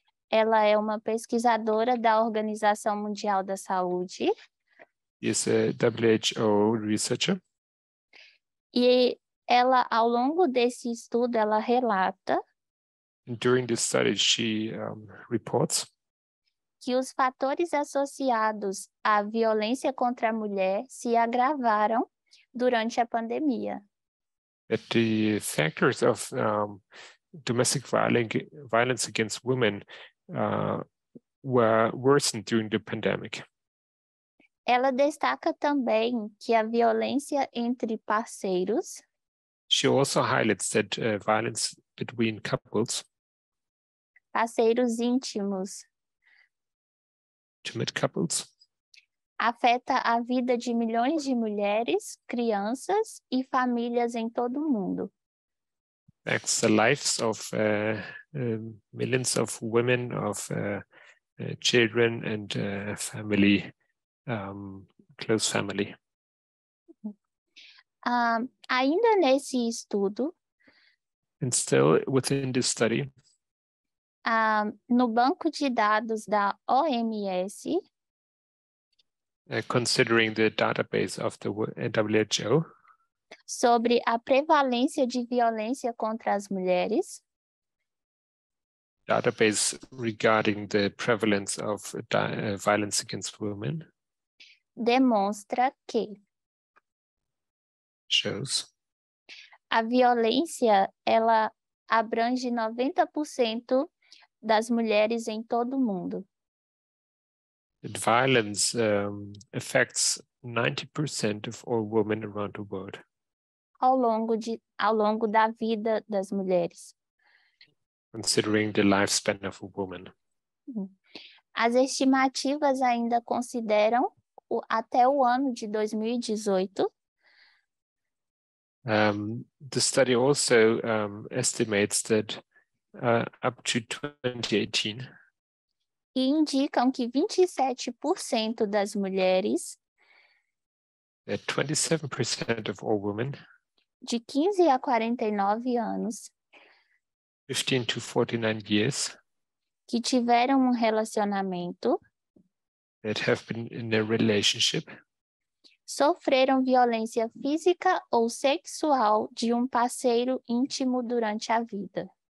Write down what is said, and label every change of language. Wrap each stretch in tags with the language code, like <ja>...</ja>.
<pt>Ela é uma pesquisadora da Organização Mundial da Saúde.</pt> <en>Is a WHO researcher.</en> <pt>E ela, ao longo desse estudo, ela relata.</pt> <en>And during this study, she reports.</en> <pt>Que os fatores associados à violência contra a mulher se agravaram durante a pandemia.</pt> <en>That the factors of domestic violence against women were worsened during the pandemic.</en> <pt>Ela destaca também que a violência entre parceiros.</pt> <en>She also highlights that violence between couples.</en> <pt>Parceiros íntimos.</pt> <en>Intimate couples.</en> <pt>Afeta a vida de milhões de mulheres, crianças e famílias em todo o mundo.</pt> <en>Affects the lives of millions of women, of children and family, close family.</en> <pt>Ainda nesse estudo.</pt> <en>And still within this study.</en> <pt>No banco de dados da OMS.</pt> <en>Considering the database of the WHO.</en> <pt>Sobre a prevalência de violência contra as mulheres.</pt> <en>Database regarding the prevalence of violence against women.</en> <pt>Demonstra que.</pt> <en>Shows.</en> <pt>A violência, ela abrange 90%. Das mulheres em todo o mundo.</pt> <en>Violence affects 90% of all women around the world.</en> <pt>ao longo da vida das mulheres.</pt> <en>Considering the lifespan of a woman.</en> <pt>As estimativas ainda consideram até o ano de 2018.</pt> <en>The study also estimates that up to 2018.</en> <pt>E indicam que 27% das mulheres</pt> <en>27% of all women</en> <pt>de 15 a 49 anos</pt> <en>15 to 49 years</en> <pt>que tiveram um relacionamento</pt> <en>that have been in a relationship</en> <pt>sofreram violência física ou sexual de um parceiro íntimo durante a vida.</pt>